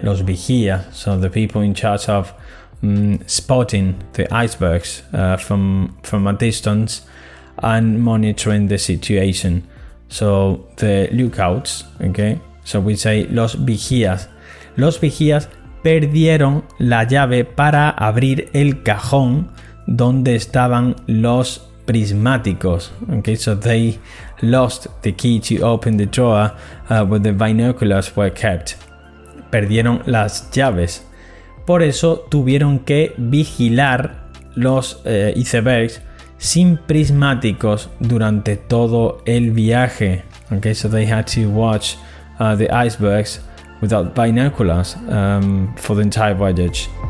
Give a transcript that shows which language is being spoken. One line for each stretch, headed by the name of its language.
Spanish: Los vigías,
English: so the people in charge of spotting the icebergs from a distance and monitoring the situation. So the lookouts, okay? So we say
Spanish: los vigías. Los vigías perdieron la llave para abrir el cajón donde estaban los prismáticos.
English: Okay, so they lost the key to open the drawer where the binoculars were kept.
Spanish: Perdieron las llaves. Por eso tuvieron que vigilar los icebergs sin prismáticos durante todo el viaje.
English: Okay, so they had to watch the icebergs without binoculars for the entire voyage.